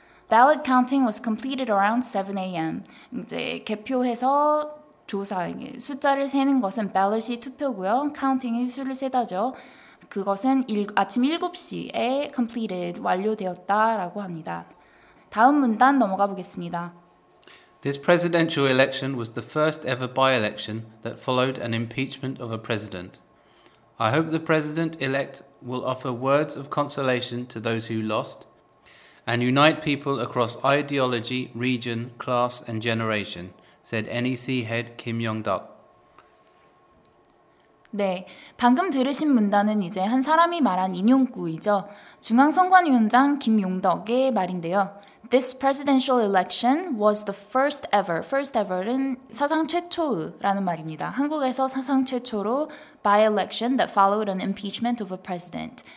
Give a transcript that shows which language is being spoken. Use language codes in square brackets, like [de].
[en] Ballot counting was completed around 7 a.m. [ko] 이제 개표해서 조사, 숫자를 세는 것은 ballot이 투표고요. Counting이 수를 세다죠. 그것은 아침 7시에 completed, 완료되었다라고 합니다. 다음 문단 넘어가 보겠습니다. [en] This presidential election was the first ever by-election that followed an impeachment of a president. I hope the president-elect will offer words of consolation to those who lost and unite people across ideology, region, class, and generation, said NEC head Kim Yong-duk. [ko] 네, 방금 들으신 문단은 이제 한 사람이 말한 인용구이죠. 중앙선관위원장 김용덕의 말인데요. [en] This presidential election was the first ever. First ever는 [ko] 사상 최초라는 말입니다. 한국에서 사상 최초로 [en] by-election that followed an impeachment of a president.